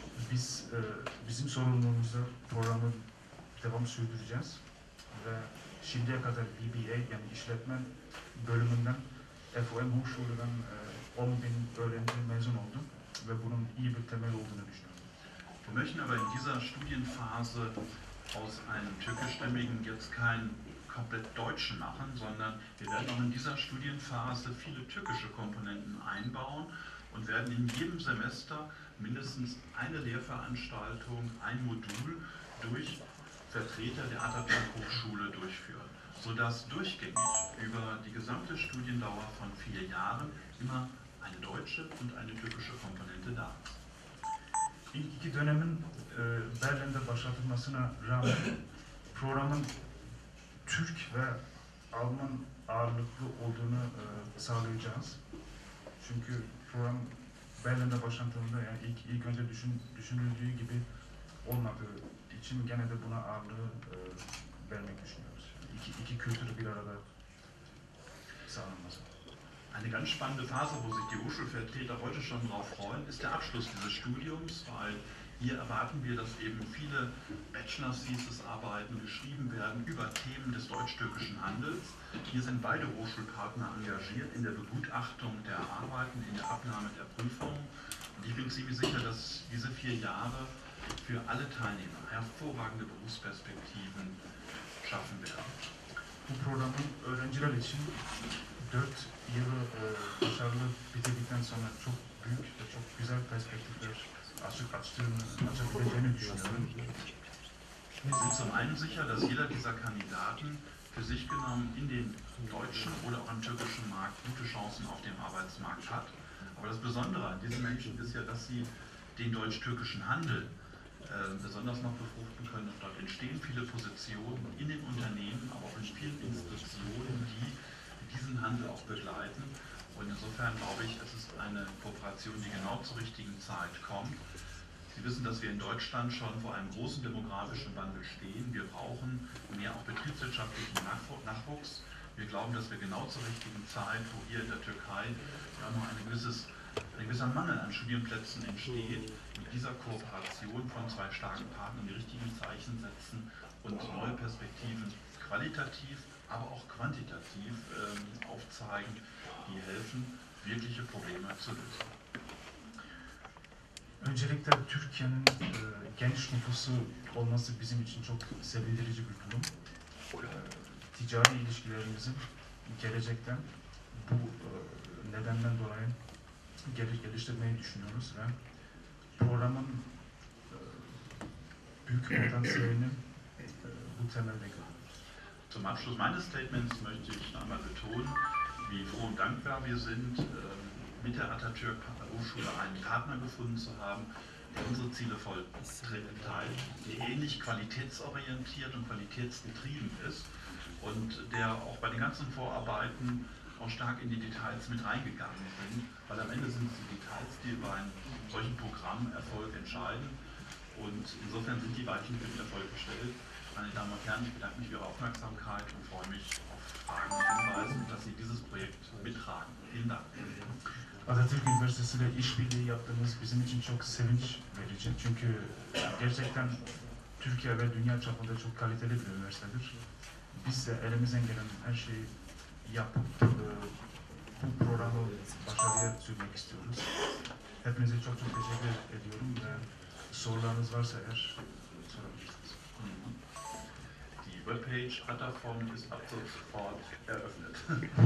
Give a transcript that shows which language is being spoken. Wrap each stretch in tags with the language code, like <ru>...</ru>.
<tr>Biz bizim sorumluluğumuzda programı devam sürdüreceğiz ve şimdiye kadar BBA yani işletme bölümünden FOM Hochschule'dan 10.000 öğrenci mezun oldum ve bunun iyi bir temel olduğunu düşünüyorum.</tr> <de>Wir möchten aber in dieser Studienphase aus einem türkischstämmigen jetzt keinen komplett deutschen machen, sondern wir werden auch in dieser Studienphase viele türkische Komponenten einbauen und werden in jedem Semester mindestens eine Lehrveranstaltung, ein Modul durch Vertreter der Atatürk Hochschule durchführen, sodass durchgängig über die gesamte Studiendauer von 4 Jahren immer eine deutsche und eine türkische Komponente da ist.</de> <tr>İlk iki dönemin Berlin'de başlatılmasına rağmen programın Türk ve Alman ağırlıklı olduğunu sağlayacağız. Çünkü program Berlin'de başlatıldığında yani ilk önce düşünüldüğü gibi olmadığı için gene de buna ağırlığı vermek düşünüyoruz. İki kültürü bir arada sağlanması.</tr> <de>Eine ganz spannende Phase, wo sich die Hochschulvertreter heute schon drauf freuen, ist der Abschluss dieses Studiums, weil hier erwarten wir, dass eben viele Bachelor-Thesis-Arbeiten geschrieben werden über Themen des deutsch-türkischen Handels. Hier sind beide Hochschulpartner engagiert in der Begutachtung der Arbeiten, in der Abnahme der Prüfungen. Und ich bin ziemlich sicher, dass diese 4 Jahre für alle Teilnehmer hervorragende Berufsperspektiven schaffen werden.</de> <tr>Bu programın öğrenciler için 4 yılı başarılı bitirdikten sonra çok büyük ve çok güzel perspektifler açabileceğini düşünüyorum.</tr> <de>Wir sind zum einen sicher, dass jeder dieser Kandidaten für sich genommen in den deutschen oder auch im türkischen Markt gute Chancen auf dem Arbeitsmarkt hat. Aber das Besondere an diesen Menschen ist ja, dass sie den deutsch-türkischen Handel besonders noch befruchten können. Dort entstehen viele Positionen in den Unternehmen, aber auch in vielen Institutionen, die diesen Handel auch begleiten. Und insofern glaube ich, es ist eine Kooperation, die genau zur richtigen Zeit kommt. Sie wissen, dass wir in Deutschland schon vor einem großen demografischen Wandel stehen. Wir brauchen mehr auch betriebswirtschaftlichen Nachwuchs. Wir glauben, dass wir genau zur richtigen Zeit, wo hier in der Türkei ja noch ein gewisser Mangel an Studienplätzen entsteht, mit dieser Kooperation von 2 starken Partnern die richtigen Zeichen setzen und neue Perspektiven qualitativ, aber auch quantitativ aufzeigen, die helfen, wirkliche Probleme zu lösen.</de> <tr>Öncelikle Türkiye'nin genç nüfusu olması bizim için çok sevindirici bir durum. Ticari ilişkilerimizin gelecekten bu nedenden dolayı geliştirmeyi düşünüyoruz ve programın büyük potansiyelini bu temelde görüyoruz.</tr> <de>Zum Abschluss meines Statements möchte ich noch einmal betonen, wie froh und dankbar wir sind, mit der Atatürk Hochschule einen Partner gefunden zu haben, der unsere Ziele voll teilt, der ähnlich qualitätsorientiert und qualitätsgetrieben ist und der auch bei den ganzen Vorarbeiten auch stark in die Details mit reingegangen sind, weil am Ende sind es die Details, die über einen solchen Programmerfolg entscheiden und insofern sind die Weichen für den Erfolg gestellt. Meine Damen und Herren, ich bedanke mich für Ihre Aufmerksamkeit und freue mich auf Fragen und Hinweise, dass Sie dieses Projekt mittragen. Vielen Dank.</de> <tr>Atatürk Üniversitesi'yle işbirliği yaptığımız bizim için çok sevinç verici. Çünkü gerçekten Türkiye ve dünya çapında çok kaliteli bir üniversitedir. Biz de elimizden gelen her şeyi yapıp bu programı başarıya sürmek istiyoruz. Hepinize çok çok teşekkür ediyorum ve sorularınız varsa eğer sorabilirsiniz.</tr> <de>Webpage Ataform ist ab sofort eröffnet.</de>